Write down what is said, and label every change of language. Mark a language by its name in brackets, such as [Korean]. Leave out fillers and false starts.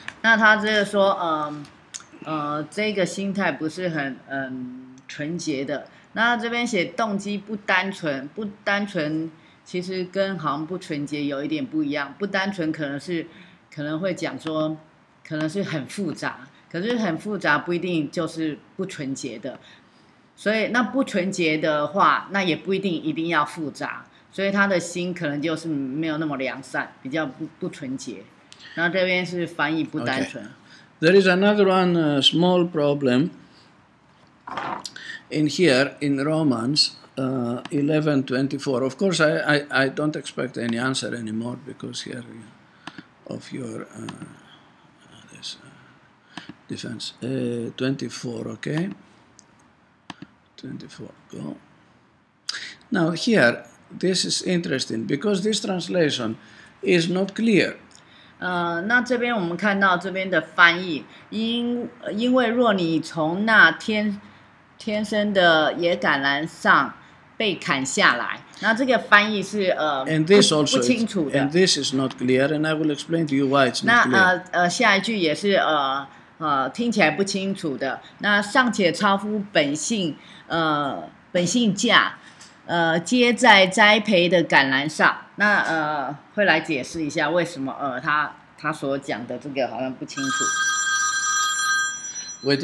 [Chinese] 那他这个说, 这个心态不是很纯洁的, 那这边写动机不单纯, 不单纯其实跟好像不纯洁有一点不一样, 不单纯可能是会讲说, 可能是很复杂, 可是很复杂不一定就是不纯洁的，所以那不纯洁的话，那也不一定一定要复杂，所以他的心可能就是没有那么良善，比较不纯洁。那这边是翻译不单纯。 [English] Okay. There is another one small problem in here in Romans 11:24. Of course, I don't expect any answer anymore because here of your. Defense 24, okay. 24, go. Now here, this is interesting because this translation is not clear. [Chinese] 那这边我们看到这边的翻译，因为若你从那天生的野橄榄上被砍下来，那这个翻译是不清楚的。 [English] And this is not clear, and I will explain to you why it's not clear. [Chinese] 那下一句也是 听起来不清楚的，那尚且超乎本性，本性价，皆在栽培的橄榄上。那会来解释一下为什么他所讲的这个好像不清楚。 [English] Wait